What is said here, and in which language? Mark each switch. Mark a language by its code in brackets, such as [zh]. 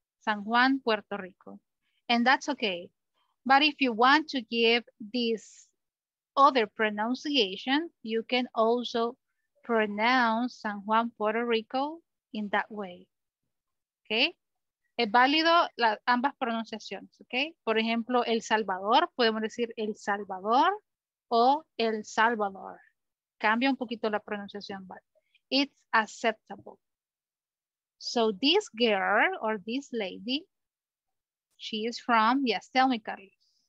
[en] San Juan, Puerto Rico. And that's okay. But if you want to give this other pronunciation, you can also pronounce San Juan, Puerto Rico in that way. [es] Okay? Es válido ambas pronunciaciones, okay? Por ejemplo, El Salvador, podemos decir El Salvador o El Salvador. Cambia un poquito la pronunciación, [en] but it's acceptable. So this girl or this lady, she is from, yes, tell me, Carlos.